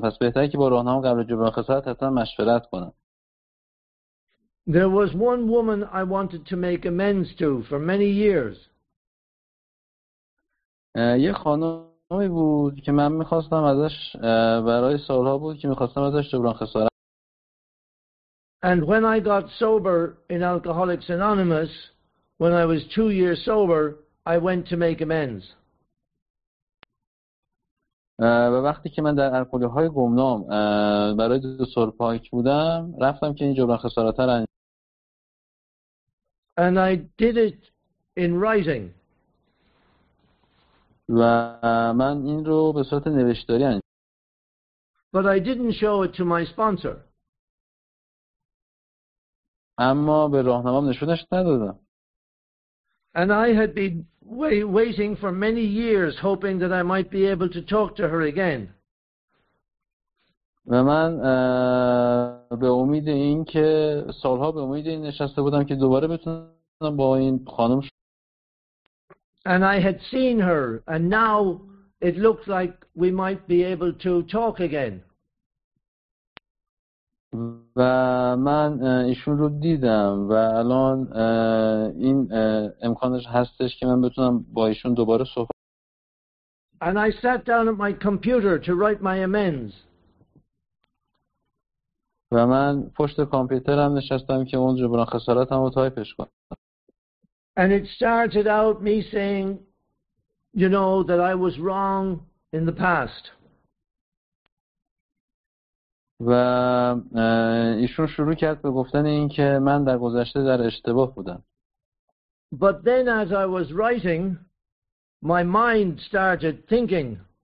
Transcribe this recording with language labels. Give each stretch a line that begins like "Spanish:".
Persian: پس بهتره که با راهنمام قبل جبران خسارت حتما مشورت کنم.
English: There was one woman I wanted to make amends to for many years.
Persian: یه خانمی بود که من می‌خواستم ازش برای سال‌ها بود که می‌خواستم ازش جبران خسارت.
English: And when I got sober in Alcoholics Anonymous, when I was 2 years sober, I went to make amends.
Persian: و وقتی که من در الکلی‌های گمنام برای 2 سال پاک بودم، رفتم که این جبران خسارت را انجام.
English: And I did it in writing.
Persian: و من این رو به صورت نوشتاری انجام دادم.
English: But I didn't show it to my sponsor.
Persian: اما به راهنمام نشونش ندادم.
English: And I had been waiting for many years hoping that I might be able to talk to her again.
Persian: و من به امید این که سالها به امید این نشسته بودم که دوباره بتونم با این خانم
English: And I had seen her, and now it looked like we might be able to talk again.
Persian: و من ایشون رو دیدم و الان این امکانش هستش که من بتونم با ایشون دوباره صحبت.
English: And I sat down at my computer to write my amends.
Persian: و من پشت کامپیوترم نشستم که اون جبران خسارتم رو تایپش کنم.
English: And it started out me saying, you know, that I was wrong in the past.
Persian: و ایشون شروع کرد به گفتن اینکه من در گذشته در اشتباه بودم.
English: But then as I was writing, my mind started thinking.